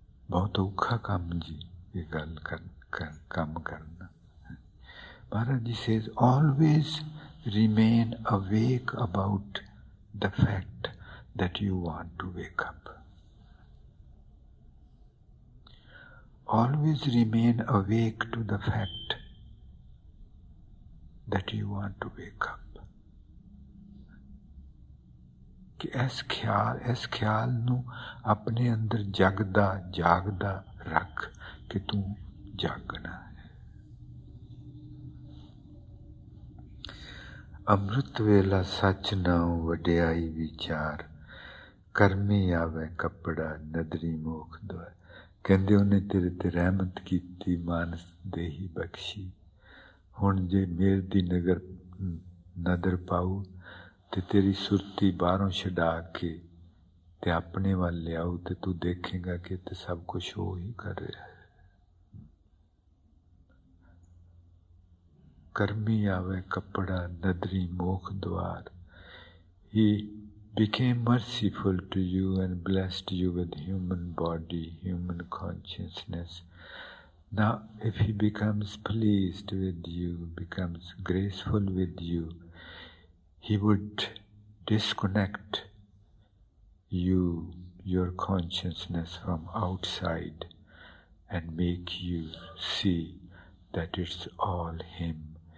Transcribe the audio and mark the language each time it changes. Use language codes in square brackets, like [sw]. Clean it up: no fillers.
[pa] ਬਹੁਤ ਔਖਾ ਕੰਮ ਜੀ ਇਹ ਗੱਲ ਕੰਮ ਕਰਨਾ Maharaj ji [en] Says always remain awake about the fact that you want to wake up. Always remain awake to the fact that you want to wake up. [pa] ਕਿ ਇਸ ਖਿਆਲ ਨੂੰ ਆਪਣੇ ਅੰਦਰ ਜਗਦਾ ਜਾਗਦਾ ਰੱਖ ਕਿ ਤੂੰ ਜਾਗਣਾ ਅੰਮ੍ਰਿਤ ਵੇਲਾ ਸੱਚ ਨਾਉ ਵਡਿਆਈ ਵਿਚਾਰ ਕਰਮੀ ਆਵੇ ਕੱਪੜਾ ਨਦਰੀ ਮੋਖ ਦੁਆ ਕਹਿੰਦੇ ਉਹਨੇ ਤੇਰੇ 'ਤੇ ਰਹਿਮਤ ਕੀਤੀ ਮਾਨਸ ਦੇਹੀ ਬਖਸ਼ੀ ਹੁਣ ਜੇ ਮੇਰ ਦੀ ਨਗਰ ਨਦਰ ਪਾਊ ਅਤੇ ਤੇਰੀ ਸੁਰਤੀ ਬਾਹਰੋਂ ਛਡਾ ਕੇ ਅਤੇ ਆਪਣੇ ਵੱਲ ਲਿਆਊ ਅਤੇ ਤੂੰ ਦੇਖੇਗਾ ਕਿ ਤਾਂ ਸਭ ਕੁਛ ਉਹ ਹੀ ਕਰ ਰਿਹਾ ਹੈ ਕਰਮੀ ਆਵੇ ਕੱਪੜਾ ਨਦਰੀ ਮੋਖ ਦੁਆਰ ਹੀ [en] became merciful to you and blessed you with human body, human consciousness. Now, if he becomes pleased with you, becomes graceful with you, he would disconnect you, your consciousness from outside and make you see that it's all him.